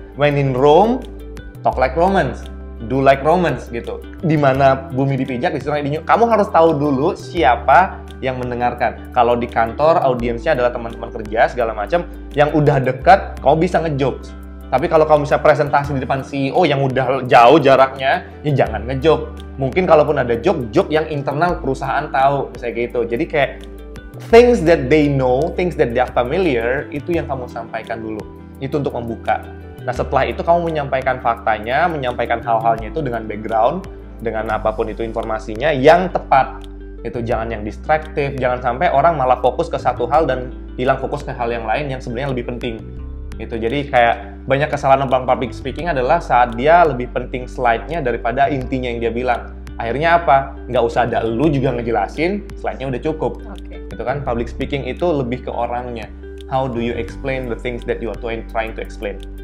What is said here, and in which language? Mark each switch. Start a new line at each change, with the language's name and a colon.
English: When in Rome, talk like Romans. Do like Romans,
Indonesian: gitu. Di mana bumi dipijak, di sana di nyuk. Kamu harus tahu dulu siapa yang mendengarkan. Kalau di kantor, audiensnya adalah teman-teman kerja, segala macam. Yang udah dekat, kamu bisa ngejokes. Tapi kalau kamu bisa presentasi di depan CEO yang udah jauh jaraknya, ya jangan ngejoke. Mungkin kalaupun ada joke yang internal perusahaan tahu, misalnya gitu. Jadi kayak
English: things that they know, things that they are familiar,
Indonesian: itu yang kamu sampaikan dulu. Itu untuk membuka. Nah, setelah itu kamu menyampaikan faktanya, menyampaikan hal-halnya itu dengan background, dengan apapun itu informasinya yang tepat. Itu jangan yang distractive, jangan sampai orang malah fokus ke satu hal dan hilang fokus ke hal yang lain yang sebenarnya lebih penting. Gitu. Jadi kayak banyak kesalahan orang public speaking adalah saat dia lebih penting slide-nya daripada intinya yang dia bilang. Akhirnya apa? Nggak usah ada lu juga ngejelasin, slide-nya udah cukup. Gitu kan, public speaking itu lebih ke orangnya.
English: How do you explain the things that you are trying to explain?